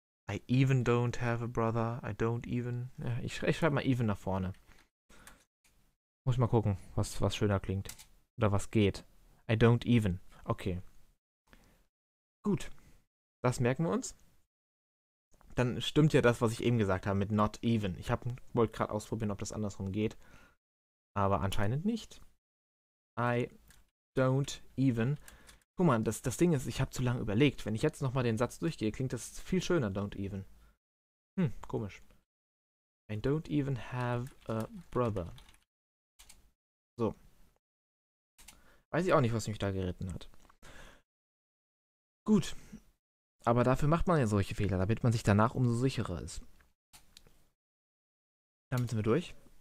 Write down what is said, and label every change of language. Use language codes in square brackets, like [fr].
[en] I even don't have a brother. I don't even. [de] Ja, ich schreibe mal even nach vorne. Muss ich mal gucken, was schöner klingt. Oder was geht. [en] I don't even. [de] Okay. Gut. Das merken wir uns. Dann stimmt ja das, was ich eben gesagt habe mit not even. Ich wollte gerade ausprobieren, ob das andersrum geht. Aber anscheinend nicht. [en] I don't even. [de] Guck mal, das Ding ist, ich habe zu lange überlegt. Wenn ich jetzt nochmal den Satz durchgehe, klingt das viel schöner, [en] don't even. [de] Komisch. [en] I don't even have a brother. So. [de] Weiß ich auch nicht, was mich da geritten hat. Gut. Aber dafür macht man ja solche Fehler, damit man sich danach umso sicherer ist. Damit sind wir durch.